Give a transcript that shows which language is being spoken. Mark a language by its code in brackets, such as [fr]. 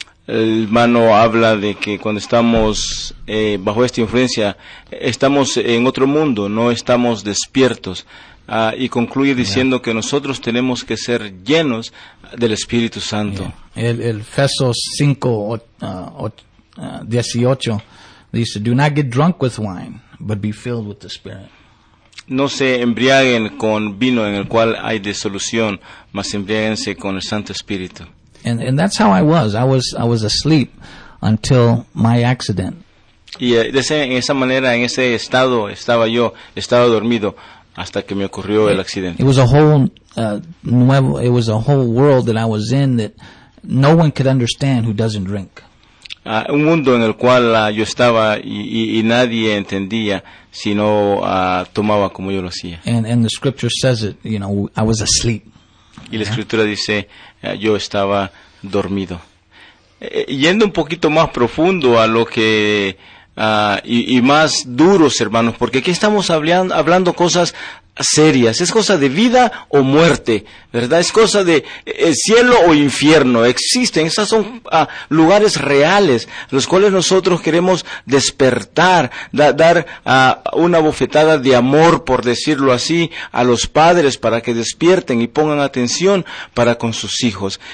[es] El hermano habla de que cuando estamos bajo esta influencia, estamos en otro mundo, no estamos despiertos. Y concluye diciendo que nosotros tenemos que ser llenos del Espíritu Santo. [en] Yeah. [es] El Efesios 5:18 dice, [en] do not get drunk with wine, but be filled with the Spirit. [es] No se embriaguen con vino en el cual hay disolución, mas embriáguense con el Santo Espíritu. [en] And that's how I was. I was asleep until my accident. [es] Y en esa manera, en ese estado, estaba dormido hasta que me ocurrió el accidente. [en] It was a whole nuevo. It was a whole world that I was in that no one could understand who doesn't drink. [es] Un mundo en el cual yo estaba y nadie entendía si no tomaba como yo lo hacía. [en] And the scripture says it. You know, I was asleep. [es] y la escritura dice, yo estaba dormido. Yendo un poquito más profundo a lo que, y más duros, hermanos, porque aquí estamos hablando cosas serias, es cosa de vida o muerte, ¿verdad? Es cosa de cielo o infierno, existen, esos son lugares reales, los cuales nosotros queremos despertar, dar una bofetada de amor, por decirlo así, a los padres para que despierten y pongan atención para con sus hijos.